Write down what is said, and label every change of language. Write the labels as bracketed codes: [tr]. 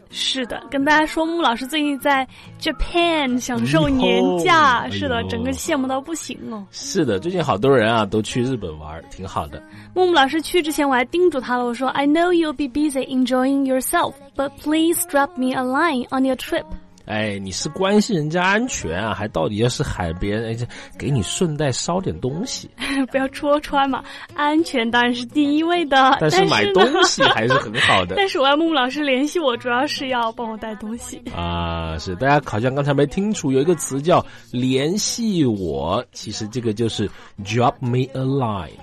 [zh] 是的，跟大家说木老师最近在 Japan 享受年假、是的，整个羡慕到不行哦。是的，最近好多人啊都去日本玩，挺好的。木木老师去之前我还叮嘱他了，我说 [en] I know you'll be busy enjoying yourself, but please drop me a line on your trip。 [zh] 哎，你是关心人家安全啊，还到底要是海边，哎，这给你顺带捎点东西。不要戳穿嘛，安全当然是第一位的。但是买东西还是很好的。但是我要木木老师联系我，主要是要帮我带东西。啊，是，大家好像刚才没听出有一个词叫联系我，其实这个就是 [en] drop me a line。